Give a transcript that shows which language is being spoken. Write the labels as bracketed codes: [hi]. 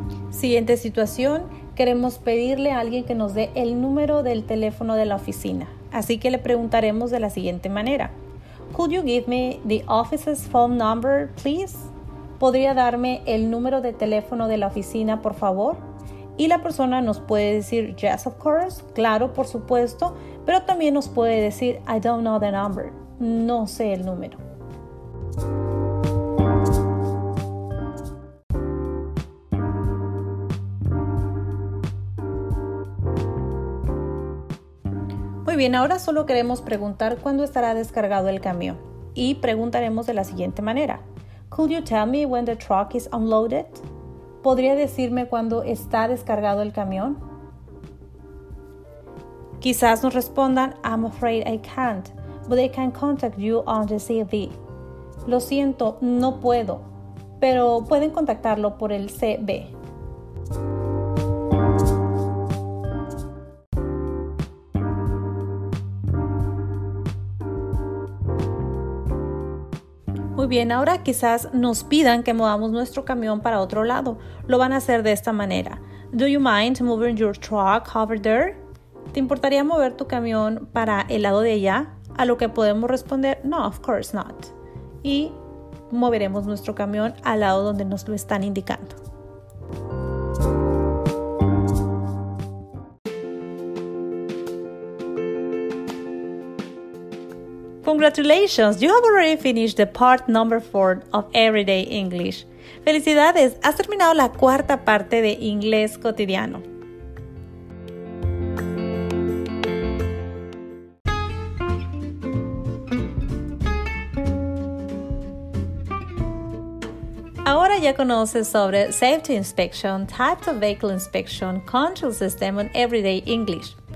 [es] Siguiente situación, queremos pedirle a alguien que nos dé el número del teléfono de la oficina. Así que le preguntaremos de la siguiente manera. [en] Could you give me the office's phone number, please? [es] ¿Podría darme el número de teléfono de la oficina, por favor? Y la persona nos puede decir, [en] yes, of course, [es] claro, por supuesto, pero también nos puede decir, [en] I don't know the number, [es] no sé el número. Muy bien, ahora solo queremos preguntar cuándo estará descargado el camión. Y preguntaremos de la siguiente manera. [en] Could you tell me when the truck is unloaded? [es] ¿Podría decirme cuándo está descargado el camión? Quizás nos respondan, [en] I'm afraid I can't, but I can contact you on the CV. [es] Lo siento, no puedo, pero pueden contactarlo por el CV. Muy bien, ahora quizás nos pidan que movamos nuestro camión para otro lado. Lo van a hacer de esta manera. [en] Do you mind moving your truck over there? [es] ¿Te importaría mover tu camión para el lado de allá? A lo que podemos responder, no, [en] of course not. [es] Y moveremos nuestro camión al lado donde nos lo están indicando. [en] Congratulations! You have already finished the part number 4 of Everyday English. [es] ¡Felicidades! Has terminado la cuarta parte de Inglés Cotidiano. Ahora ya conoces sobre [en] Safety Inspection, Types of Vehicle Inspection, Control System, and Everyday English.